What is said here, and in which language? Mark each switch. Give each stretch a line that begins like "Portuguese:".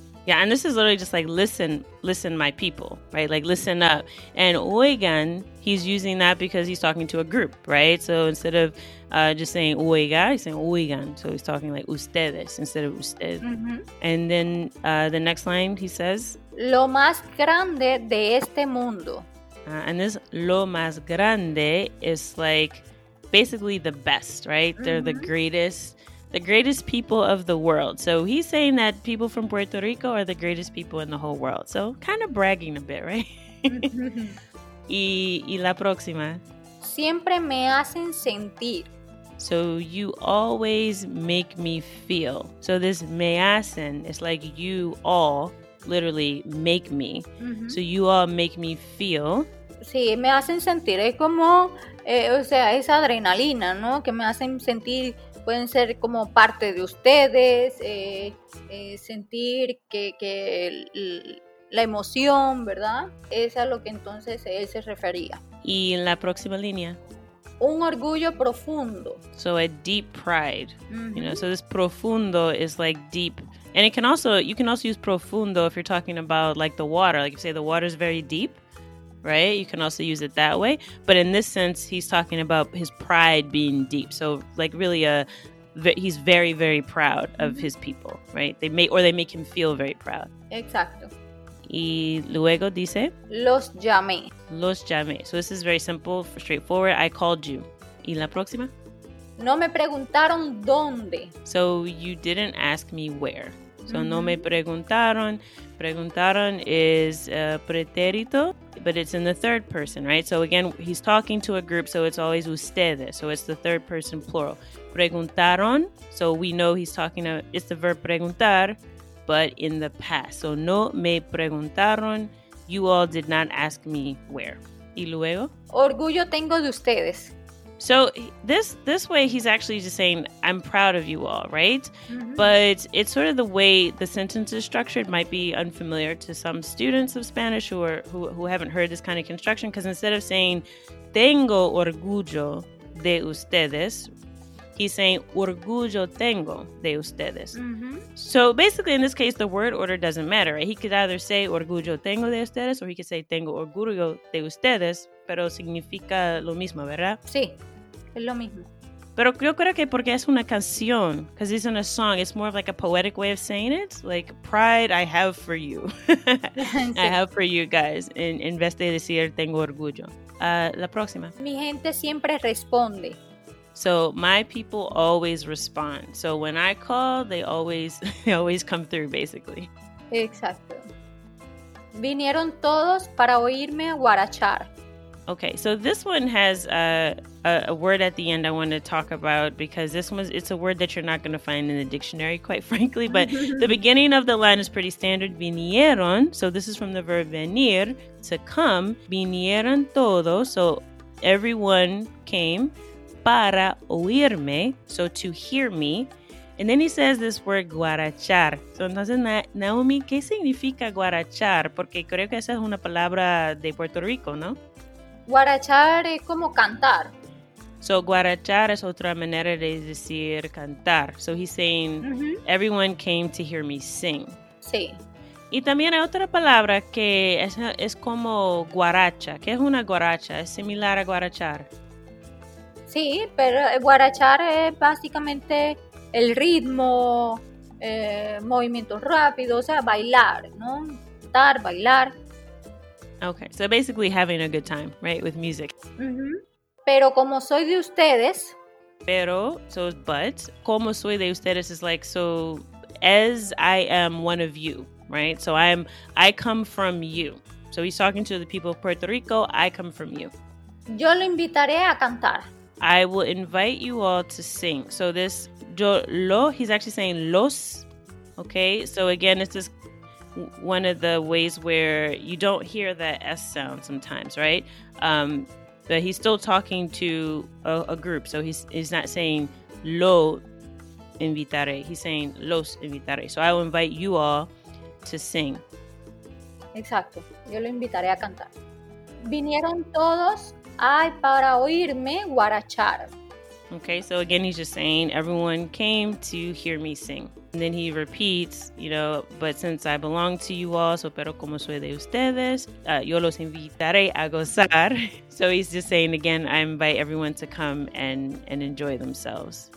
English: Yeah, and this is literally just like, listen, my people, right? Like, listen up. And oigan, he's using that because he's talking to a group, right? So instead of just saying oiga, he's saying oigan. So he's talking like ustedes instead of usted. Mm-hmm. And then the next line he says,
Spanish: lo más grande de este mundo.
English: And this
Spanish: lo más grande
English: is like basically the best, right? Mm-hmm. They're the greatest people of the world. So he's saying that people from Puerto Rico are the greatest people in the whole world. So kind of bragging a bit, right?
Spanish: Y la próxima. Siempre me hacen sentir.
English: So you always make me feel. So this
Spanish: me hacen
English: is like you all literally make me. Mm-hmm. So you all make me feel.
Spanish: Sí, me hacen sentir. Es como, o sea, esa adrenalina, ¿no? Que me hacen sentir. Pueden ser como parte de ustedes, sentir que la emoción, ¿verdad? Es a lo que entonces él se refería. ¿Y la próxima línea? Un orgullo profundo.
English: So a deep pride. Mm-hmm. You know, so this profundo is like deep. And it can also, you can also use profundo if you're talking about like the water. Like you say the water is very deep. Right? You can also use it that way. But in this sense, he's talking about his pride being deep. So, like, really, he's very, very proud of mm-hmm. his people, right? They make him feel very proud.
Spanish: Exacto. Y luego dice... Los llamé. Los llamé.
English: So, this is very simple, straightforward. I called you.
Spanish: ¿Y la próxima? No me preguntaron dónde.
English: So, you didn't ask me where.
Spanish: So, mm-hmm. no me preguntaron.
English: Preguntaron is pretérito. But it's in the third person, right? So again, he's talking to a group, so it's always ustedes. So it's the third person plural. Preguntaron, so we know he's talking to, it's the verb preguntar, but in the past. So
Spanish: no me preguntaron,
English: you all did not ask me where.
Spanish: Y luego? Orgullo tengo de ustedes.
English: So this way, he's actually just saying, I'm proud of you all, right? Mm-hmm. But it's sort of the way the sentence is structured might be unfamiliar to some students of Spanish who haven't heard this kind of construction. Because instead of saying,
Spanish: tengo orgullo de ustedes,
English: he's saying,
Spanish: orgullo tengo de ustedes.
English: Mm-hmm. So basically, in this case, the word order doesn't matter, right? He could either say,
Spanish: orgullo tengo de ustedes,
English: or he could say,
Spanish: tengo orgullo de ustedes. Pero significa lo mismo, ¿verdad? Sí, es lo mismo. Pero yo creo que porque es una canción,
English: because it's in a song, it's more of like a poetic way of saying it. Like, pride I have for you. Sí. I have for you guys.
Spanish: En vez de decir, tengo orgullo. La próxima. Mi gente siempre responde.
English: So, my people always respond. So, when I call, they always come through, basically.
Spanish: Exacto. Vinieron todos para oírme guarachar.
English: Okay, so this one has a word at the end I want to talk about because this one, it's a word that you're not going to find in the dictionary, quite frankly, but the beginning of the line is pretty standard, vinieron, so this is from the verb venir, to come,
Spanish: vinieron todos,
English: so everyone came,
Spanish: para oírme,
English: so to hear me, and then he says this word guarachar, so
Spanish: entonces Naomi, ¿qué significa guarachar? Porque creo que esa es una palabra de Puerto Rico, ¿no? Guarachar es como cantar. So, guarachar es otra manera de decir cantar.
English: So, he's saying, mm-hmm. everyone came to hear me sing.
Spanish: Sí. Y también hay otra palabra que es como guaracha. ¿Qué es una guaracha? ¿Es similar a guarachar? Sí, pero guarachar es básicamente el ritmo, movimiento rápido, o sea, bailar, ¿no? Cantar, bailar.
English: Okay, so basically having a good time, right, with music. Mm-hmm.
Spanish: Pero como soy de ustedes.
English: Pero, so, but,
Spanish: como soy de ustedes
English: is like, so, as I am one of you, right? So I come from you. So he's talking to the people of Puerto Rico, I come from you.
Spanish: Yo lo invitaré a cantar.
English: I will invite you all to sing. So this, yo, lo, he's actually saying los, okay? So again, it's this. One of the ways where you don't hear that S sound sometimes, right? But he's still talking to a group. So he's not saying lo invitaré. He's saying
Spanish: los invitaré.
English: So I will invite you all to sing.
Spanish: Exacto. Yo lo invitaré a cantar. Vinieron todos ay para oírme guarachar.
English: Okay, so again, he's just saying everyone came to hear me sing. And then he repeats, you know, but since I belong to you all, so
Spanish: pero como soy de ustedes, yo los invitaré a gozar.
English: So he's just saying again, I invite everyone to come and enjoy themselves.